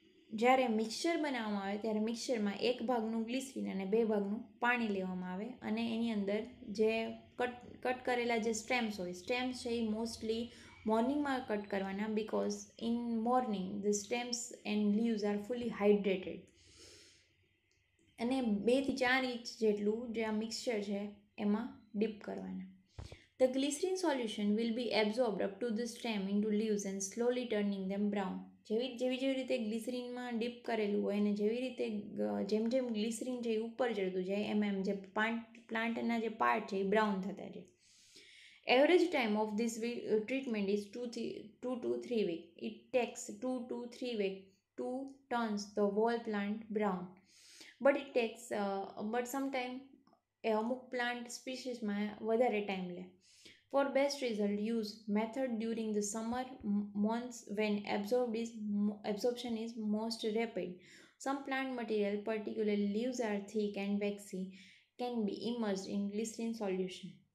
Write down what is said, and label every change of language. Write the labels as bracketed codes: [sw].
[gu] જ્યારે મિક્સર બનાવવામાં આવે ત્યારે મિક્સરમાં 1 ભાગનું ગ્લિસરીન અને 2 ભાગનું પાણી લેવામાં આવે, અને એની અંદર જે કટ કરેલા જે સ્ટેમ્સ હોય, સ્ટેમ્સ છે એ મોસ્ટલી મોર્નિંગમાં કટ કરવાના, [en] Because in morning the stems and leaves are fully hydrated. [gu] અને 2-4 ઇંચ જેટલું જે આ મિક્સર છે એમાં ડીપ કરવાના. [en] The glycerin solution will be absorbed up to the stem into leaves and slowly turning them brown. [gu] જેવી જેવી જેવી રીતે ગ્લિસરીનમાં ડીપ કરેલું હોય અને જેવી રીતે જેમ જેમ ગ્લિસરીન છે એ ઉપર ચડતું જાય એમ એમ જે પ્લાન્ટના જે પાર્ટ છે એ બ્રાઉન થતા જાય. [en] Average time of this treatment is two to three week. It takes two to three week to turns the whole plant brown. But it takes but sometime [gu] એ અમુક પ્લાન્ટ સ્પીશીસમાં વધારે ટાઈમ લે. [en] For best result, use method during the summer months when absorption is most rapid. Some plant material, particularly leaves are thick and waxy, can be immersed in glycerin solution.